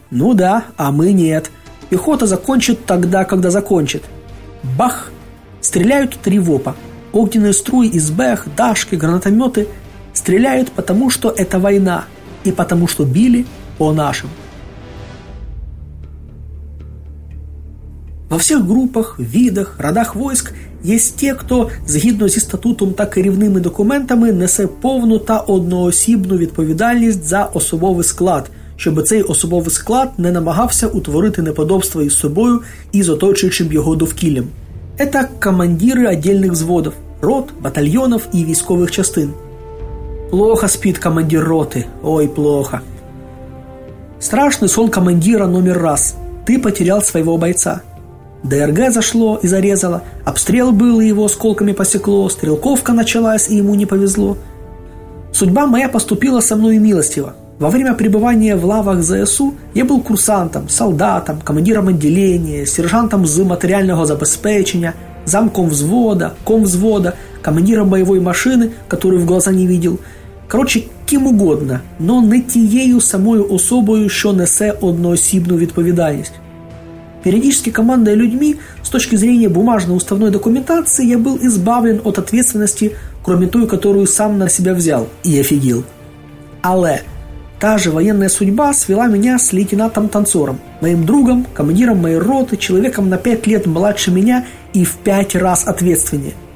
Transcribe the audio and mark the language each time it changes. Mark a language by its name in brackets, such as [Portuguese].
[Russian] Ну да, а мы нет. Пехота закончит тогда, когда закончит. Бах! Стреляют 3 вопа. Огненные струи из БЭХ, дашки, гранатометы... Стреляют, потому что это война, и потому что били по нашим. Во всех группах, видах, родах войск есть те, кто, [Ukrainian] згідно зі статутом, так і рівними документами, несе повну та одноосібну відповідальність за особовий склад, щоб цей особовий склад не намагався утворити неподобство із собою і з оточуючим його довкіллям. Це командири окремих взводів, рот, батальйонів і військових частин. [Russian] Плохо спит командир роты. Ой, плохо. Страшный сон командира номер раз. Ты потерял своего бойца. ДРГ зашло и зарезало. Обстрел был, и его осколками посекло. Стрелковка началась, и ему не повезло. Судьба моя поступила со мной милостиво. Во время пребывания в лавах ЗСУ я был курсантом, солдатом, командиром отделения, сержантом [Ukrainian] з материального забезпечення, [Russian] замком взвода, ком взвода, командиром боевой машины, которую в глаза не видел. Короче, кем угодно, но не [Ukrainian] тією самою особою, що несе одноосібну відповідальність. [Russian] Периодически командуя людьми, с точки зрения бумажно-уставной документации, я был избавлен от ответственности, кроме той, которую сам на себя взял и офигел. Але та же военная судьба свела меня с лейтенантом-танцором, моим другом, командиром моей роты, человеком на 5 лет младше меня и в 5 раз ответственнее.